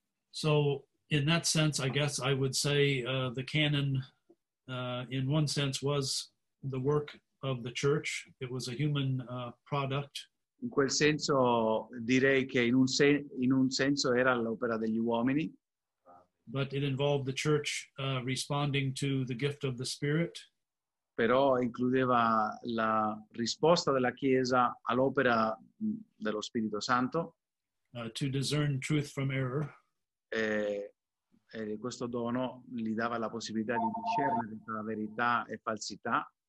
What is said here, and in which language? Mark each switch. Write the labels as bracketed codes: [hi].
[en] So in that sense, I guess I would say the canon in one sense was the work of the church. It was a human product. [it] In quel senso direi che in un senso era l'opera degli uomini. [en] But it involved the church responding to the gift of the Spirit. [it] Però includeva la risposta della Chiesa all'opera dello Spirito Santo. [en] To discern truth from error. [it] E questo dono gli dava la possibilità di discernere tra verità e falsità.